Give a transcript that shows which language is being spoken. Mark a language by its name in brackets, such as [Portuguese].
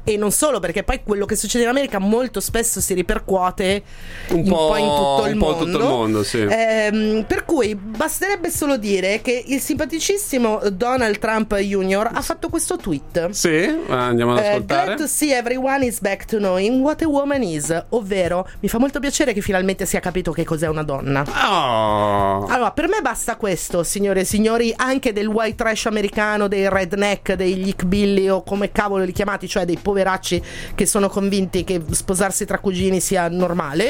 [Italian] E non solo, perché poi quello che succede in America molto spesso si ripercuote un po' in tutto il mondo, sì. Per cui basterebbe solo dire che il simpaticissimo Donald Trump Jr. ha fatto questo tweet. Sì, andiamo ad ascoltare. [English] Glad to see everyone is back to knowing what a woman is. [Italian] Ovvero, mi fa molto piacere che finalmente si è capito che cos'è una donna. Oh. Allora, per me basta questo, signore e signori, anche del white trash americano, dei redneck, dei yickbilly o come cavolo li chiamati, cioè dei poveracci che sono convinti che sposarsi tra cugini sia normale,